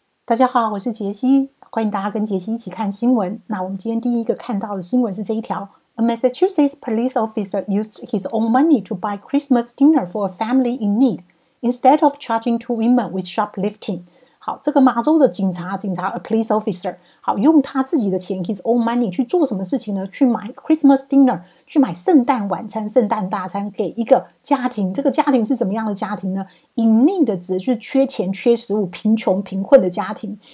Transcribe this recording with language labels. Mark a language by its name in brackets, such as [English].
[Chinese] 大家好，我是杰西，欢迎大家跟杰西一起看新闻。那我们今天第一个看到的新闻是这一条 [English] ：A Massachusetts police officer used his own money to buy Christmas dinner for a family in need instead of charging two women with shoplifting。 [Chinese] 好，这个麻州的警察 ， [English] a police officer， [Chinese] 好，用他自己的钱 ， [English] his own money [Chinese] 去做什么事情呢？去买 Christmas dinner， 去买圣诞晚餐、圣诞大餐给一个家庭。这个家庭是怎么样的家庭呢 ？ [English] In need [Chinese] 的指的是缺钱、缺食物、贫穷、贫困的家庭。